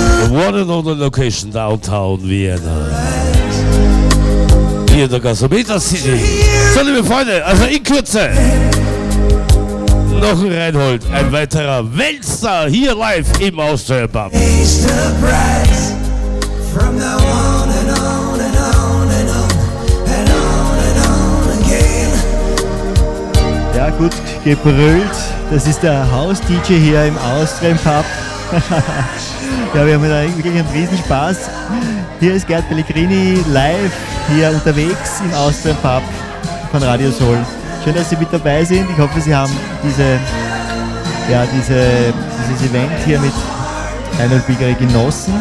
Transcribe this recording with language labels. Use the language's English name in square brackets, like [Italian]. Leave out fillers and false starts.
[English] One and only location downtown Vienna. [German] Hier in der Gasometer City. So, liebe Freunde, also in Kürze. Noch ein Reinhold. Ein weiterer Weltstar hier live im Austrian Pub. [English] From now on and on and on and on and on and on again. [German] Ja, gut gebrüllt. Das ist der Haus-DJ hier im Austrian Pub. Ja, wir haben da wirklich einen Riesenspaß. Hier ist Gerd Pellegrini live hier unterwegs im Austrian Pub von Radio Soul. Schön, dass Sie mit dabei sind. Ich hoffe, Sie haben dieses Event hier mit Reinhold Bilger genossen.